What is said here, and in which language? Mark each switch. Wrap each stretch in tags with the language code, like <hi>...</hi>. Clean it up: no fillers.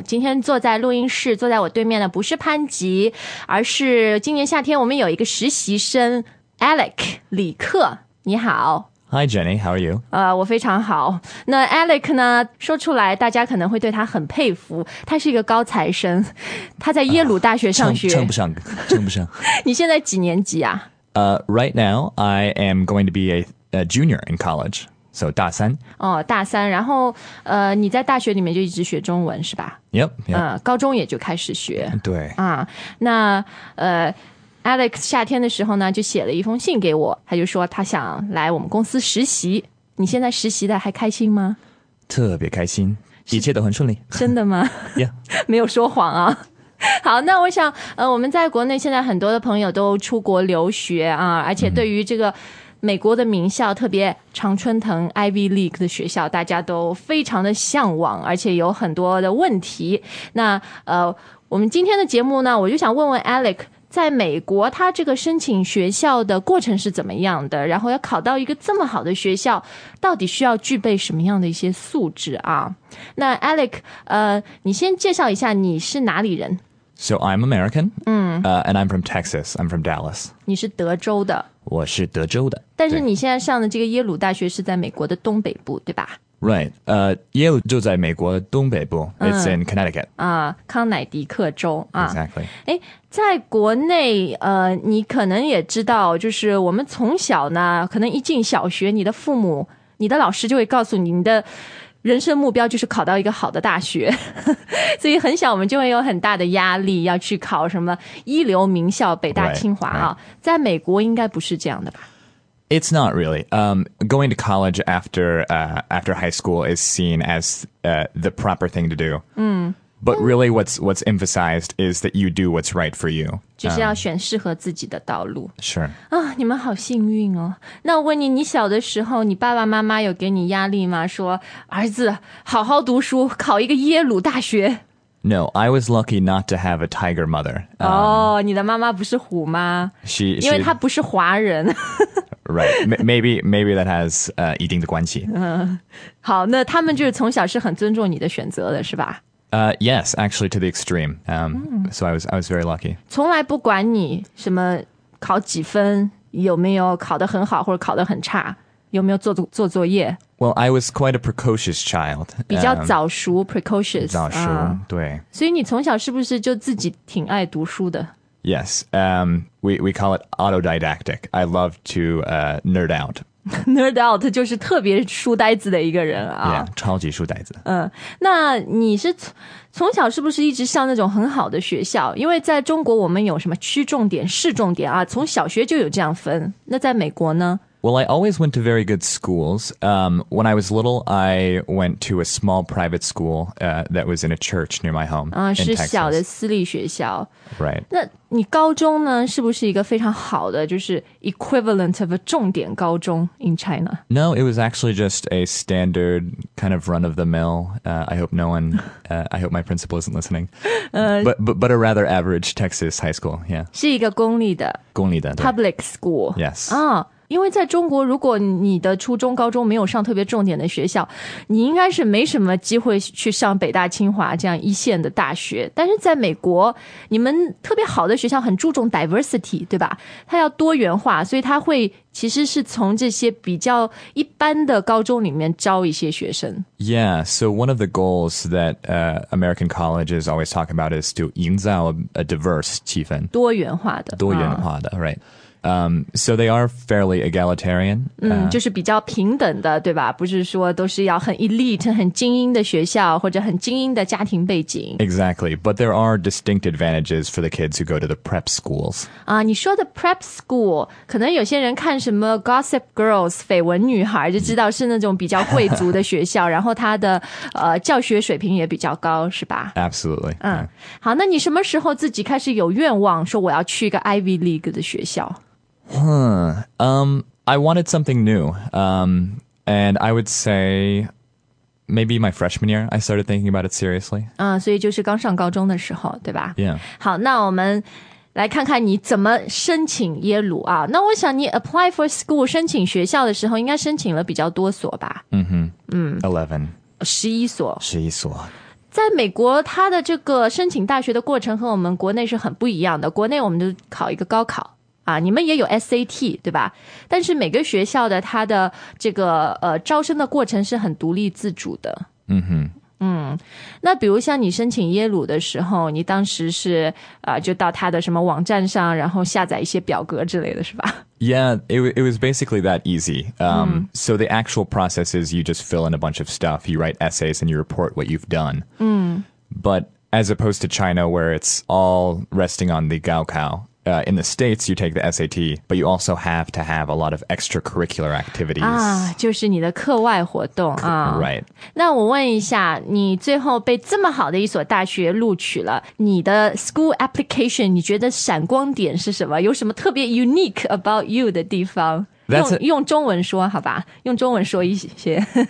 <zh>今天坐在录音室，坐在我对面的不是潘吉，而是今年夏天我们有一个实习生 Alec 李克。你好。</zh> <en>Hi Jenny, how are you?</en> <zh>我非常好。那 Alec 呢，说出来大家可能会对他很佩服，他是一个高材生，他在耶鲁大学上学。称不上。你现在几年级啊？</zh> <en>Right now, I am going to be a junior in college, so</en> <zh>大三。哦，大三，然后你在大学里面就一直学中文是吧？</zh> <en>Yep, yep.</en> <zh>高中也就开始学。对。那Alex 夏天的时候呢，就写了一封信给我，他就说他想来我们公司实习。你现在实习的还开心吗？特别开心，一切都很顺利。真的吗？</zh> <en>Yeah.</en> <zh>没有说谎啊。好，那我想我们在国内现在很多的朋友都出国留学啊，而且对于这个美国的名校，特别常春藤 Ivy League 的学校，大家都非常的向往，而且有很多的问题。那我们今天的节目呢，我就想问问 Alec， 在美国他这个申请学校的过程是怎么样的，然后要考到一个这么好的学校到底需要具备什么样的一些素质啊。那 Alec， 你先介绍一下你是哪里人。</zh> <en>So I'm American, and I'm from Texas, I'm from Dallas.</en> <zh>你是德州的。我是德州的。但是你现在上的这个耶鲁大学是在美国的东北部，对吧？ Right, 耶鲁就在美国东北部，</zh> <en>it's in Connecticut.</en> <zh>康乃狄克州。</zh> <en>Exactly.</en> <zh>在国内你可能也知道，就是我们从小呢，可能一进小学，你的父母，你的老师就会告诉你，你的人生目标就是考到一个好的大学，所以很小我们就会有很大的压力，要去考什么一流名校，北大清华啊。</zh> <en>Right, right.</en> <zh>在美国应该不是这样的吧？</zh> <en>It's not really. Going to college after high school is seen as the proper thing to do. But really what's emphasized is that you do what's right for you.</en> <zh>就是要选适合自己的道路。</zh> <en>Sure.</en> <zh>你们好幸运哦。那我问你，你小的时候你爸爸妈妈有给你压力吗？说儿子好好读书，考一个耶鲁大学。</zh> <en>No, I was lucky not to have a tiger mother.</en> <zh>你的妈妈不是虎妈。</zh> <en>She,</en> <zh>因为她不是华人。</zh> <en>Right, maybe that has</en> <zh>一定的关系。好，那他们就是从小是很尊重你的选择的是吧？</zh> <en>Yes, actually to the extreme. So I was very lucky.</en> <zh>从来不管你什么考几分，有没有考得很好或者考得很差，有没有做作业。</zh> <en>Well, I was quite a precocious child.</en> <zh>比较早熟 precocious. 早熟，对。所以你从小是不是就自己挺爱读书的？</zh> <en>Yes, we call it autodidactic. I love to nerd out.</en> <zh>Nerd out 就是特别书呆子的一个人啊。 Yeah, 超级书呆子。那你是从小是不是一直上那种很好的学校？因为在中国我们有什么区重点、市重点啊，从小学就有这样分。那在美国呢？</zh> <en>Well, I always went to very good schools. When I was little, I went to a small private school that was in a church near my home.</en> <zh>是小的私立学校。</zh> <en>Right.</en> <zh>那你高中呢，是不是一个非常好的，就是</zh> <en>equivalent of a</en> <zh>重点高中</zh> <en>in China? No, it was actually just a standard kind of run of the mill. I hope my principal isn't listening. But a rather average Texas high school, yeah.</en> <zh>是一个公立的。公立的。</zh> <en>Public school. Yes.</en> <zh>因为在中国，如果你的初中高中没有上特别重点的学校，你应该是没什么机会去上北大清华这样一线的大学。但是在美国，你们特别好的学校很注重 diversity， 对吧？它要多元化，所以它会其实是从这些比较一般的高中里面招一些学生。</zh> <en>Yeah, so one of the goals that American colleges always talk about is to 营造 a diverse 气氛，</en> <zh>多元化的，多元化的、right.</zh> <en>So they are fairly egalitarian.</en> <zh>就是比较平等的，对吧？不是说都是要很 elite, 很精英的学校，或者很精英的家庭背景。</zh> <en>Exactly. But there are distinct advantages for the kids who go to the prep schools.</en> <zh>你说的 prep school, 可能有些人看什么 Gossip Girls, 绯闻女孩，就知道是那种比较贵族的学校，然后他的教学水平也比较高，是吧？</zh> <en>Absolutely.</en> <zh>好，那你什么时候自己开始有愿望，说我要去一个 Ivy League 的学校？</zh> <en>I wanted something new. And I would say maybe my freshman year, I started thinking about it seriously.</en> <zh>所以就是刚上高中的时候，对吧？</zh> <en>Yeah.</en> <zh>好，那我们来看看你怎么申请耶鲁啊。那我想你</zh> <en>apply for school</en> <zh>申请学校的时候应该申请了比较多所吧。 11所。在美国它的这个申请大学的过程和我们国内是很不一样的。国内我们就考一个高考啊，你们也有 SAT, 对吧？但是每个学校的它的这个招生的过程是很独立自主的。嗯哼。嗯，那比如像你申请耶鲁的时候，你当时是就到他的什么网站上，然后下载一些表格之类的是吧？</zh> <en>Yeah, it was basically that easy. So the actual process is you just fill in a bunch of stuff, you write essays and you report what you've done. But as opposed to China, where it's all resting on the Gaokao, in the States, you take the SAT, but you also have to have a lot of extracurricular activities.</en> <zh>啊，就是你的课外活动啊。</zh> <en>Right.</en> <zh>那我问一下，你最后被这么好的一所大学录取了，你的</zh> <en>school application,</en> <zh>你觉得闪光点是什么？有什么特别</zh> <en>unique about you</en> <zh>的地方？用中文说，好吧，用中文说一些。</zh>